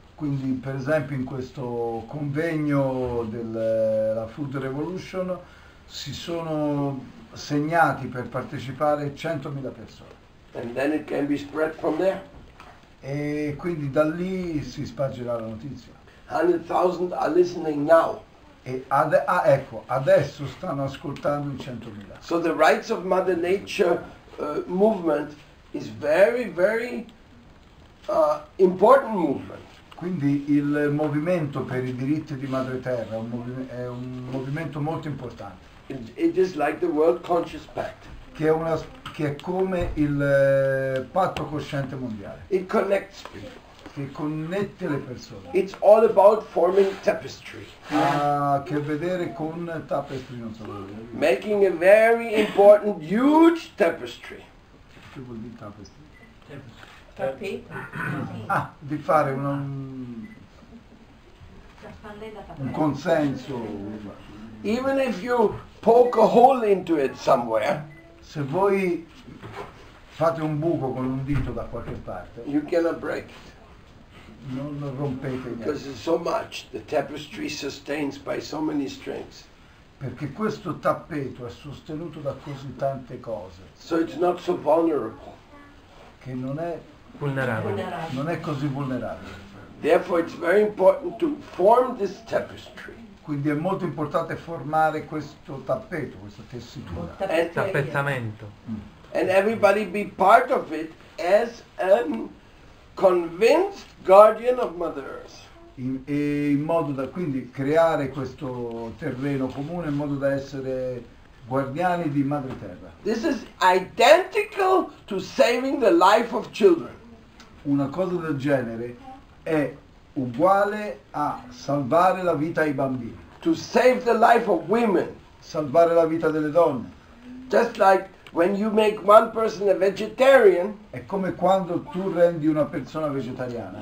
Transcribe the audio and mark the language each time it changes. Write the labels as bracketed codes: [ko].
[it] Quindi, per esempio, in questo convegno della food revolution si sono segnati per partecipare 100,000 persone. [en] And then it can be spread from there. [it] E quindi da lì si spargerà la notizia. [en] 100,000 are listening now. [it] E ecco, adesso stanno ascoltando i 100,000. [en] So the rights of Mother Nature movement is very, very important movement. [it] Quindi il movimento per i diritti di Madre Terra è un movimento molto importante. [en] It is like the World Conscious Pact. [it] Che è come il patto cosciente mondiale. [en] It connects people. [it] Che connette le persone. [en] It's all about forming tapestry. [it] Ha a che vedere con tapestry, non so dire. [en] Making a very important, huge tapestry. [it] Che vuol dire tapestry? [en] Tapestry. [it] Ah, di fare un consenso. [en] Even if you poke a hole into it somewhere. [it] Se voi fate un buco con un dito da qualche parte, [en] you cannot break it. [it] Non rompete niente. [en] Because it's so much, the tapestry sustains by so many strings. [it] Perché questo tappeto è sostenuto da così tante cose. [en] So it's not so vulnerable. [it] Che non è vulnerabile. Non è così vulnerabile. [en] Therefore it's very important to form this tapestry. [it] Quindi è molto importante formare questo tappeto, questa tessitura. Tappezzamento. [en] And everybody be part of it as a convinced guardian of Mother Earth. [it] E in modo da quindi creare questo terreno comune in modo da essere guardiani di Madre Terra. [en] This is identical to saving the life of children. [it] Una cosa del genere è uguale a salvare la vita ai bambini. [en] To save the life of women. [it] Salvare la vita delle donne. [en] Just like when you make one person a vegetarian. [it] È come quando tu rendi una persona vegetariana.